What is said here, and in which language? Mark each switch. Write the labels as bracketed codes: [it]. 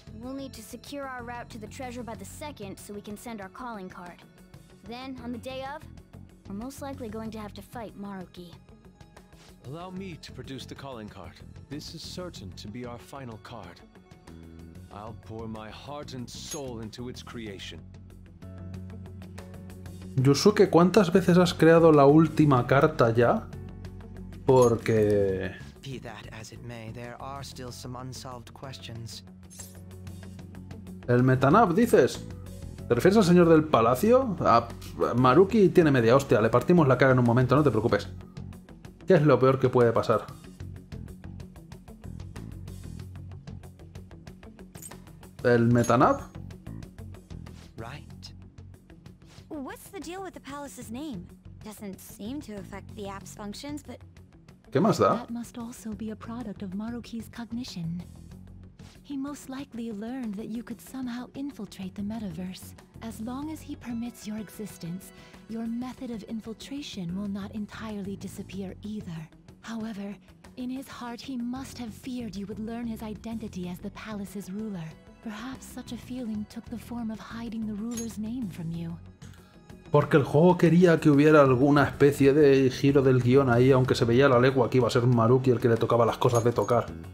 [en] We'll need to secure our route to the treasure by the 2nd so we can send our calling card. Then, on the day of, we're most likely going to have to fight Maruki. Allow me to produce the calling card. This is certain to be our final card. I'll pour my heart and soul into its creation. [es] Yusuke, ¿cuántas veces has creado la última carta ya? Porque... [en] Be that as it may, there are still some unsolved questions. [es] El Metanap, dices. ¿Te refieres al señor del palacio? A Maruki tiene media hostia. Le partimos la cara en un momento, no te preocupes. ¿Qué es lo peor que puede pasar? ¿El Metanap? [en] Right. What's the deal with the palace's name? Doesn't seem to affect the app's functions, but [es] ¿qué más da? [en] That must also be a product of Maruki's cognition. He most likely learned that you could somehow infiltrate the metaverse. As long as he permits your existence, your method of infiltration will not entirely disappear either. However, in his heart, he must have feared you would learn his identity as the palace's ruler. Perhaps such a feeling took the form of hiding the ruler's name from you. [es] Porque el juego quería que hubiera alguna especie de giro del guión ahí, aunque se veía a la legua que iba a ser Maruki el que le tocaba las cosas de tocar.